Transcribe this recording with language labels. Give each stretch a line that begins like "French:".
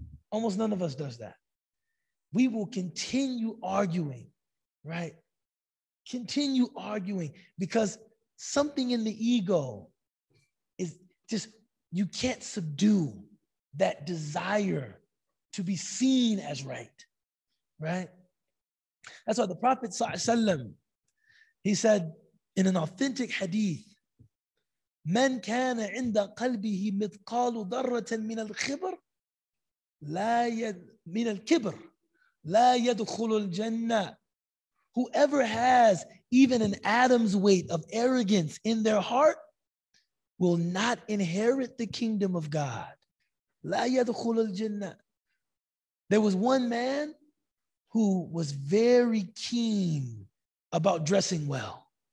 English: Almost none of us does that. We will continue arguing, right? Continue arguing because something in the ego is just, you can't subdue that desire to be seen as right. Right? That's why the Prophet ﷺ, he said in an authentic hadith,
Arabic: من كان عند قلبه مثقال ذرة من الخبر لا يد من الكبر لا يدخل الجنة.
English: Whoever has even an atom's weight of arrogance in their heart will not inherit the kingdom of God.
Arabic: لا يدخل الجنة.
English: There was one man who was very keen about dressing well.